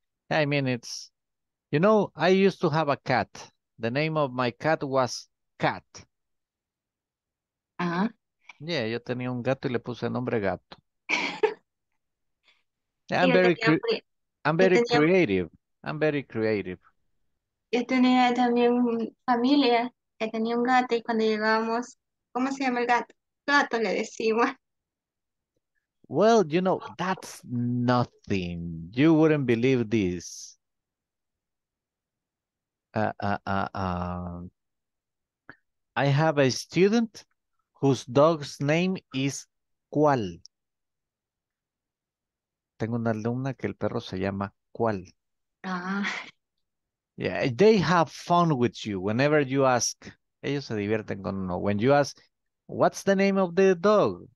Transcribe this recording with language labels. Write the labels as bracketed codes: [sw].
[en] I mean, it's, you know, I used to have a cat. The name of my cat was Cat. Ah. [es] Yeah, yo tenía un gato y le puse el nombre gato. [en] I'm very creative. [es] Yo tenía también familia, que tenía un gato y cuando llegábamos, ¿cómo se llama el gato? Gato le decimos. [en] Well, you know, that's nothing. You wouldn't believe this. I have a student whose dog's name is Qual. [es] Tengo una alumna que el perro se llama Qual. [en] Yeah, they have fun with you whenever you ask. [es] Ellos se divierten con uno. [en] When you ask, what's the name of the dog?